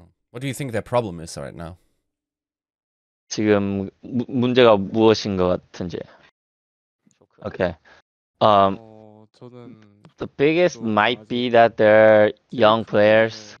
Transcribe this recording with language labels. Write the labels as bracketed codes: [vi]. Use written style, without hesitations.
[en] What do you think their problem is right now? [ko] 지금 문제가 무엇인 것 같은지. [en] Okay. The biggest might be that they're young players.